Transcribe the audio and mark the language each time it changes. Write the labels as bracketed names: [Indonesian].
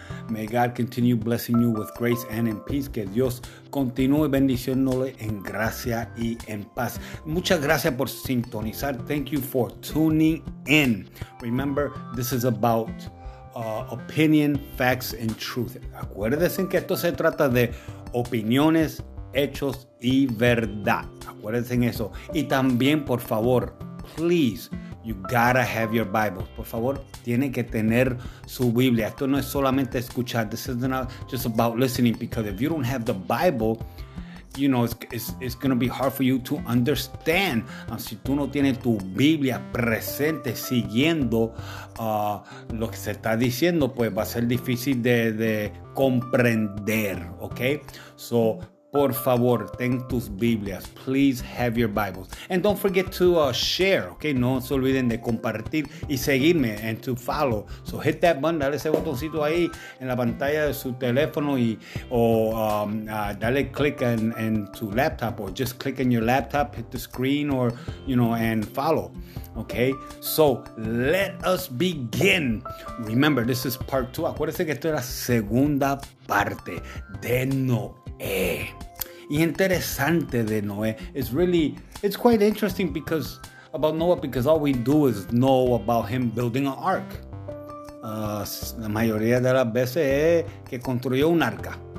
[English] May God continue blessing you with grace and in peace. [Spanish] Que Dios continúe bendiciéndole en gracia y en paz. Muchas gracias por sintonizar. [English] Thank you for tuning in. Remember, this is about opinion, facts, and truth. [Spanish] Acuérdense que esto se trata de opiniones, hechos y verdad. Acuérdense en eso. Y también, por favor, [English] please, you gotta have your Bible. [Spanish] Por favor, tiene que tener su Biblia. Esto no es solamente escuchar. [English] This is not just about listening, because if you don't have the Bible, you know, it's going to be hard for you to understand. [Spanish] Si tú no tienes tu Biblia presente siguiendo lo que se está diciendo, pues va a ser difícil de comprender, okay? [English] So, [Spanish] por favor, ten tus Biblias. [English] Please have your Bibles. And don't forget to share, okay? [Spanish] No se olviden de compartir y seguirme [English] and to follow. So hit that button, [Spanish] dale ese botoncito ahí en la pantalla de su teléfono y dale click en tu laptop, [English] or just click in your laptop, hit the screen, or, you know, and follow, okay? So let us begin. Remember, this is part two. [Spanish] Acuérdense que esto es la segunda parte de Noé. Y interesante de Noé. [English] It's really, it's quite interesting because about Noah, because all we do is know about him building an ark. [Spanish] La mayoría de las veces es que construyó un arca.